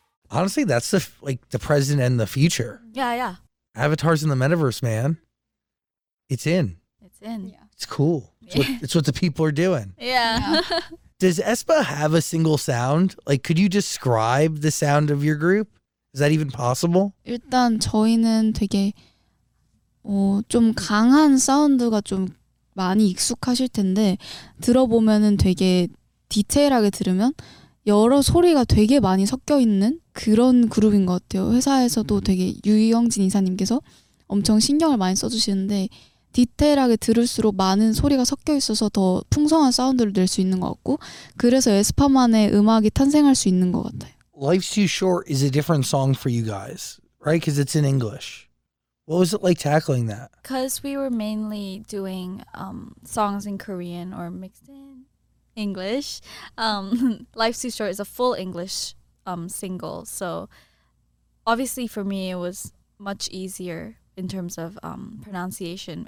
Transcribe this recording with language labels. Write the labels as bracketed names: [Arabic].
[English] Honestly, that's the present and the future. Yeah, yeah. Avatars in the metaverse, man. It's in. It's in. Yeah. It's cool. It's what the people are doing. Yeah. Does aespa have a single sound? Like, could you describe the sound of your group? Is that even possible? [Korean] 일단 저희는 되게 좀 강한 사운드가 좀 많이 익숙하실 텐데 들어보면은 되게 디테일하게 들으면 여러 소리가 되게 많이 섞여 있는 그런 그룹인 것 같아요. 회사에서도 되게 유영진 이사님께서 엄청 신경을 많이 써주시는데 디테일하게 들을수록 많은 소리가 섞여 있어서 더 풍성한 사운드를 낼 수 있는 것 같고 그래서 에스파만의 음악이 탄생할 수 있는 것 같아요. [English] Life's Too Short is a different song for you guys, right? Because it's in English. What was it like tackling that? Because we were mainly doing songs in Korean or mixed in English. Life's Too Short is a full English single. So obviously for me it was much easier in terms of pronunciation.